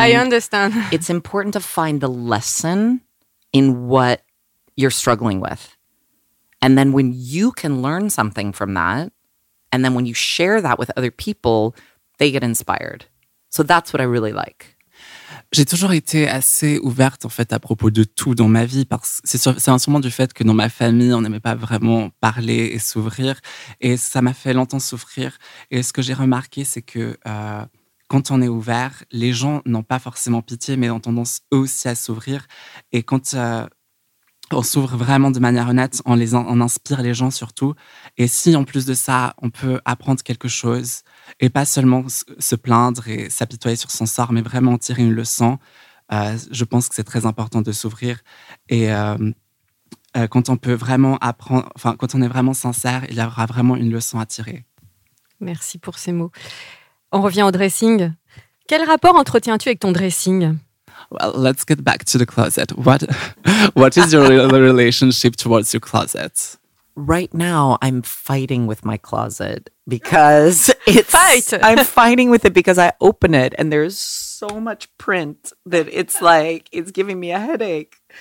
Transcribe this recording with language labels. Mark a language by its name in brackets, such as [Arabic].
[English] I understand. It's important to find the lesson in what you're struggling with. And then when you can learn something from that, and then when you share that with other people, they get inspired. So that's what I really like. [French] J'ai toujours été assez ouverte, en fait, à propos de tout dans ma vie. Parce que c'est sûrement du fait que dans ma famille, on n'aimait pas vraiment parler et s'ouvrir. Et ça m'a fait longtemps souffrir. Et ce que j'ai remarqué, c'est que quand on est ouvert, les gens n'ont pas forcément pitié, mais ont tendance eux aussi à s'ouvrir. Et quand on s'ouvre vraiment de manière honnête, on inspire les gens surtout. Et si, en plus de ça, on peut apprendre quelque chose, et pas seulement se plaindre et s'apitoyer sur son sort, mais vraiment tirer une leçon, je pense que c'est très important de s'ouvrir. Et quand on peut vraiment apprendre, enfin, quand on est vraiment sincère, il y aura vraiment une leçon à tirer. Merci pour ces mots. On revient au dressing. Quel rapport entretiens-tu avec ton dressing? [English] Well, let's get back to the closet. What is your relationship towards your closet? Right now, I'm fighting with my closet because it's... Fight! I'm fighting with it because I open it and there's so much print that it's like, it's giving me a headache.